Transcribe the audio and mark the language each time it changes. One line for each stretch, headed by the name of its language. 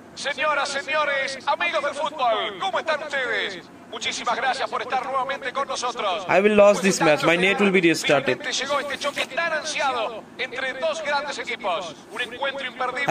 Spanish: señoras, señores, amigos del fútbol, ¿cómo están ustedes? Muchísimas gracias por estar nuevamente con nosotros.
English: I will lose this match, my net will be restarted.
Spanish: Llegó este choque tan ansiado entre dos grandes equipos, un encuentro imperdible.